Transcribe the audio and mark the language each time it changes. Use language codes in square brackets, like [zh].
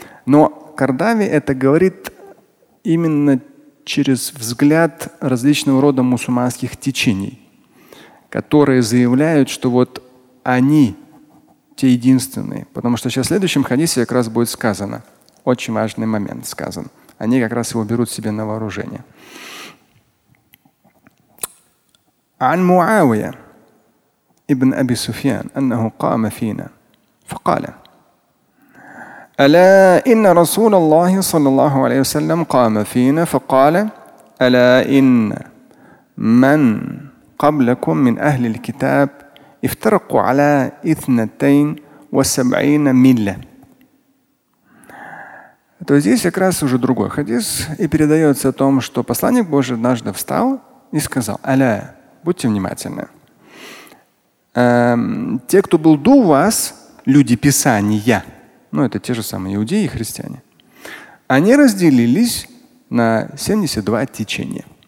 [ru] Но Кардави это говорит именно через взгляд различного рода мусульманских течений, которые заявляют, что вот они те единственные. Потому что сейчас в следующем хадисе как раз будет сказано, очень важный момент сказан. Они как раз его берут себе на вооружение. [ar] عن معاوية ابن أبي سفيان أنه قام فينا فقال ألا إن رسول الله صلى الله عليه وسلم قام فينا فقال ألا إن من قبلكم من أهل الكتاب افترقوا على 72 ملة. [ru] То есть здесь как раз уже другой хадис и передается о том, что посланник Божий однажды встал и сказал «Аля». Будьте внимательны. Те, кто был до вас, люди Писания, ну это те же самые иудеи и христиане, они разделились на 72 течения.